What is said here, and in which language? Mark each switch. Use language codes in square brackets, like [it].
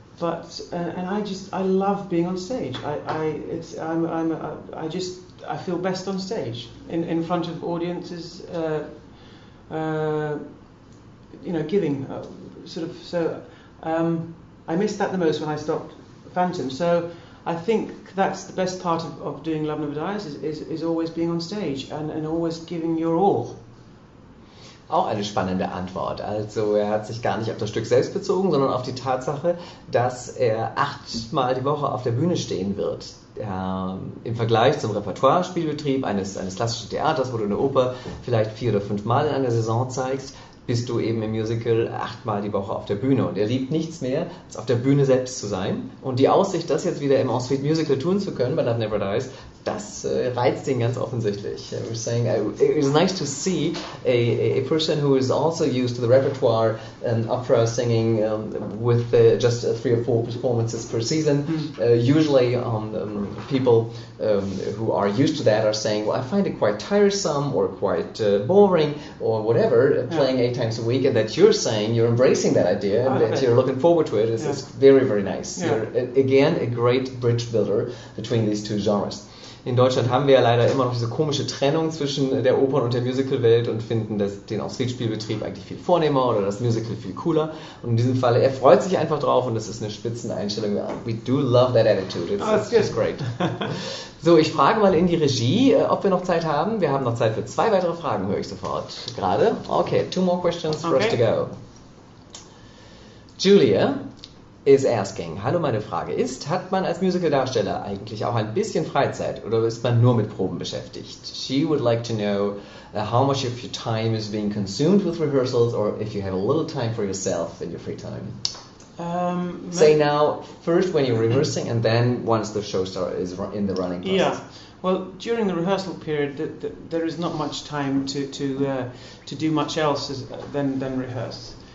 [en] But I love being on stage. I feel best on stage, in front of audiences, giving sort of. So I missed that the most when I stopped Phantom. So I think that's the best part of doing Love Never Dies is always being on stage and always giving your all. [de] Auch eine spannende Antwort. Also er hat sich gar nicht auf das Stück selbst bezogen, sondern auf die Tatsache, dass er 8-mal die Woche auf der Bühne stehen wird. Im Vergleich zum Repertoire-Spielbetrieb eines klassischen Theaters, wo du eine Oper vielleicht 4 oder 5 Mal in einer Saison zeigst, bist du eben im Musical 8-mal die Woche auf der Bühne. Und er liebt nichts mehr, als auf der Bühne selbst zu sein. Und die Aussicht, das jetzt wieder im Ensuite Musical tun zu können, bei Love Never Dies, das reizt ihn ganz offensichtlich. [en] We're saying it is nice to see a person who is also used to the repertoire and opera singing with just 3 or 4 performances per season. Usually people who are used to that are saying, well, I find it quite tiresome or quite boring or whatever, playing 8 times a week, and that you're saying you're embracing that idea and that you're looking forward to it is very, very nice. Yeah. You're, again, a great bridge builder between these two genres. [de] In Deutschland haben wir ja leider immer noch diese komische Trennung zwischen der Opern- und der Musical-Welt und finden das, den Ensemblespielbetrieb eigentlich viel vornehmer oder das Musical viel cooler. Und in diesem Fall, er freut sich einfach drauf und das ist eine Spitzeneinstellung. [en] We do love that attitude. It's just great. [de] So, ich frage mal in die Regie, ob wir noch Zeit haben. Wir haben noch Zeit für zwei weitere Fragen, höre ich sofort gerade. [en] Okay, two more questions for us to go. Julia is asking, [de] hallo, meine Frage ist, hat man als Musical-Darsteller eigentlich auch ein bisschen Freizeit oder ist man nur mit Proben beschäftigt? [en] She would like to know how much of your time is being consumed with rehearsals or if you have a little time for yourself in your free time. Say now, first when you're rehearsing and then once the show star is in the running process. Yeah. Well, during the rehearsal period, there is not much time to do much else than rehearse.